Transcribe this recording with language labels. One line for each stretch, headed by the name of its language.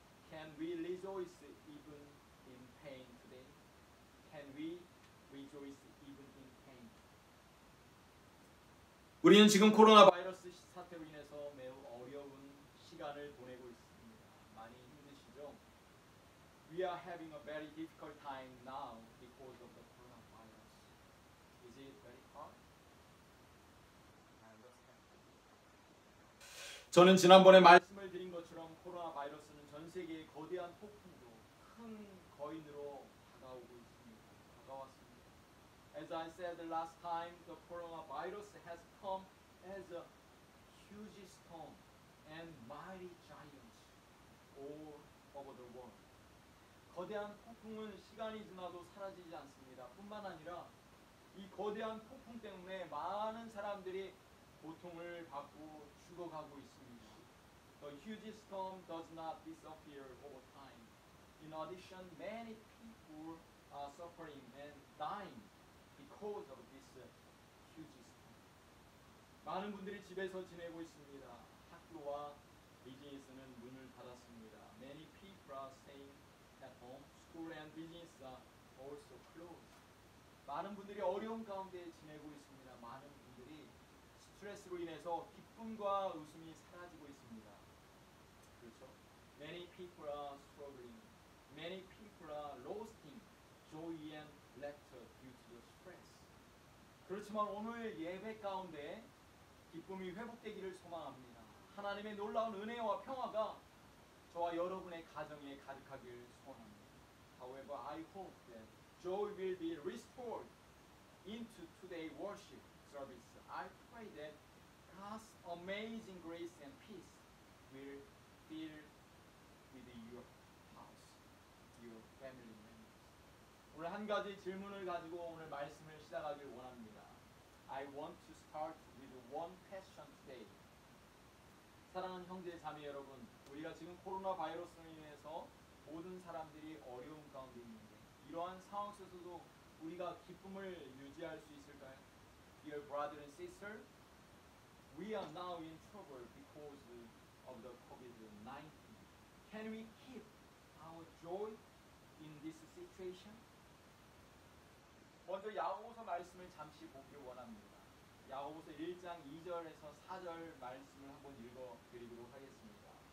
English: Can we rejoice even in pain today? Can we rejoice even in pain?
Korean: 우리는 지금 코로나 바이러스 사태로 인해서 매우 어려운 시간을 보내고 있습니다. 많이 힘드시죠?
English: We are having a very difficult time now because of the coronavirus. Is it very hard?
Korean: 저는 지난번에 말씀을 드린 것처럼 코로나 바이러스는 전 세계의 거대한 폭풍으로 큰 거인으로 다가오고 있습니다. 다가왔습니다.
English: As I said last time, the coronavirus has come as a huge storm and mighty giant all over the world.
Korean: 거대한 폭풍은 시간이 지나도 사라지지 않습니다. 뿐만 아니라 이 거대한 폭풍 때문에 많은 사람들이 고통을 받고 죽어가고 있습니다.
English: The huge storm does not disappear over time. In addition, many people are suffering and dying because of this huge storm.
Korean: 많은 분들이 집에서 지내고 있습니다. 학교와 비즈니스는 문을 닫았습니다.
English: Many people are staying at home. School and business are also closed.
Korean: 많은 분들이 어려운 가운데 지내고 있습니다. 많은 스트레스로 인해서 기쁨과 웃음이 사라지고 있습니다.
English: 그렇죠? Many people are struggling. Many people are losing joy and laughter due to the stress.
Korean: 그렇지만 오늘 예배 가운데 기쁨이 회복되기를 소망합니다. 하나님의 놀라운 은혜와 평화가 저와 여러분의 가정에 가득하길 소원합니다.
English: However, I hope that joy will be restored into today's worship service. I pray that God's amazing grace and peace will fill with your house, your family members.
Korean: 오늘 한 가지 질문을 가지고 오늘 말씀을 시작하길 원합니다.
English: I want to start with one question today.
Korean: 사랑하는 형제 자매 여러분, 우리가 지금 코로나 바이러스로 인해서 모든 사람들이 어려운 가운데 있는데 이러한 상황 속에서도 우리가 기쁨을 유지할 수 있을까요?
English: Dear brother and sister, we are now in trouble because of the COVID-19. Can we keep our joy in this situation?
Korean: 먼저 야고보서 말씀을 잠시 보기를 원합니다. 야고보서 1장 2절에서 4절 말씀을 한번 읽어드리도록 하겠습니다.